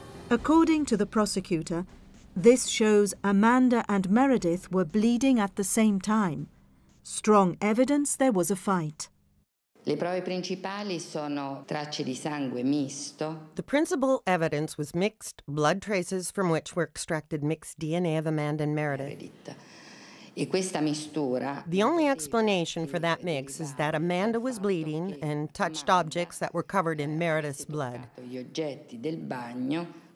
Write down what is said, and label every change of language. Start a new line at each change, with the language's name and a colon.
English: According to the prosecutor, this shows Amanda and Meredith were bleeding at the same time. Strong evidence there was a fight.
Italian: Le prove principali sono tracce di sangue misto.
English: The principal evidence was mixed blood traces from which were extracted mixed DNA of Amanda and Meredith.
Italian: E questa mistura.
English: The only explanation for that mix is that Amanda was bleeding and touched objects that were covered in Meredith's blood.
Italian: Gli oggetti del bagno.